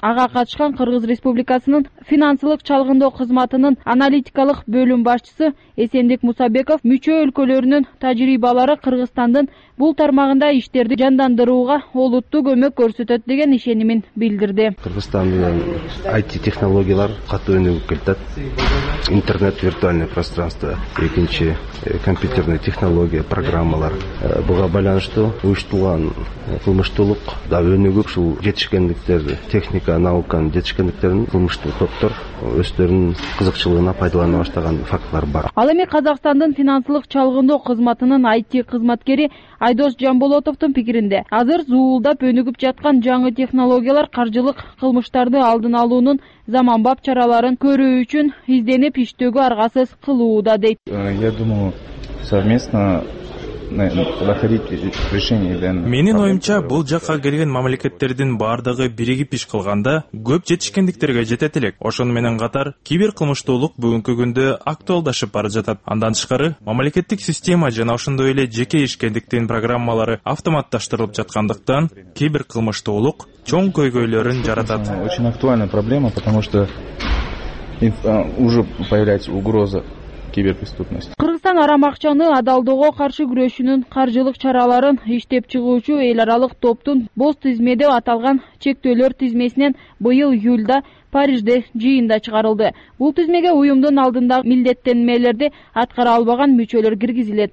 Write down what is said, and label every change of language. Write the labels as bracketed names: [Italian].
[Kyrgyz] Ага катышкан Кыргыз Республикасынын финансылык чалгындоо кызматынын аналитикалык бөлүм башчысы Эсендик Мусабеков мүчө өлкөлөрүнүн тажрыйбалары Кыргызстандын бул тармагында иштерди жандандырууга олуттуу көмөк көрсөтөт деген ишенимин билдирди. Кыргызстан менен IT технологиялар катуу өнүгүп келатат. Интернет, виртуальный пространство, экинчи компьютерный технология, программалар. Буга байланыштуу уюштулган кылмыштуулук да өнүгүп, ушул жетишкендиктерди, техника, науканын жетишкендиктерин кылмыштуу топтор өздөрүнүн кызыкчылыгына пайдалана баштаган фактылар бар. Ал эми Казакстандын финансылык чалгындоо кызматынын IT кызматкери Айдос Жамболотовтун пикиринде, азыр зуулдап өнүгүп жаткан жаңы технологиялар каржылык кылмыштарды алдын алуунун заманбап чараларын көрүү үчүн изденип иштөөгө аргасыз кылууда дейт. [Russian] Я думаю, совместно [Kyrgyz] Менин оюмча бул жакка келген мамлекеттердин баардыгы биригип иш кылганда көп жетишкендиктерге жетет элек. Ошону менен катар кибер кылмыштуулук бүгүнкү күндө актуалдашып бара жатат. Андан тышкары мамлекеттик система жана ошондой эле жеке ишкендиктин программалары автоматташтырылып жаткандыктан кибер кылмыштуулук чоң көйгөйлөрүн жаратат. [Russian] Очень актуальная проблема, потому что уже появляется угроза киберпреступности. [Kyrgyz] Кыргызстан Жаңыртылган арам акчаны адалдыгы каршы күрөшүнүн каржылык чараларын иштеп чыгуучу эл аралык топтун боз тизмеде аталган чектөөлөр тизмесинен быйыл июлда Парижде жыйында чыгарылды. Бул тизмеге уюмдун алдында милдеттенмелерди аткара албаган мүчөлөр киргизилет.